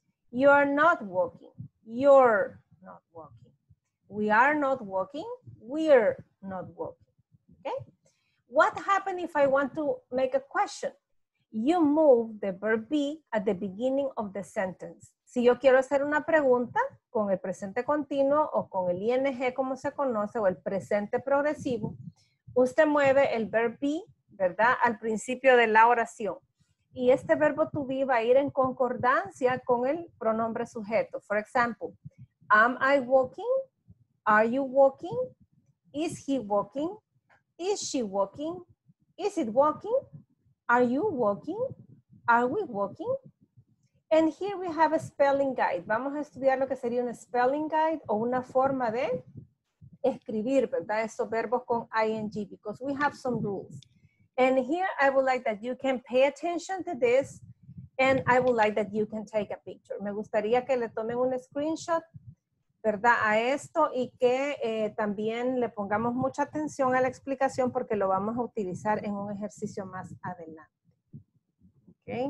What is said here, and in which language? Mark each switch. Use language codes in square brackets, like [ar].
[en] You're not walking. You're not walking. We are not walking. We're not walking. Okay? What happened if I want to make a question? You move the verb be at the beginning of the sentence. [es] Si yo quiero hacer una pregunta con el presente continuo o con el ING como se conoce o el presente progresivo, usted mueve el verb be, ¿verdad? Al principio de la oración. Y este verbo to be va a ir en concordancia con el pronombre sujeto. [en] For example, am I walking? Are you walking? Is he walking? Is she walking? Is it walking? Are you walking? Are we walking? And here we have a spelling guide. [es] Vamos a estudiar lo que sería un spelling guide o una forma de escribir, ¿verdad? Estos verbos con ing, [en] because we have some rules. And here I would like that you can pay attention to this and I would like that you can take a picture. [es] Me gustaría que le tomen un screenshot, ¿verdad? A esto y que también le pongamos mucha atención a la explicación porque lo vamos a utilizar en un ejercicio más adelante.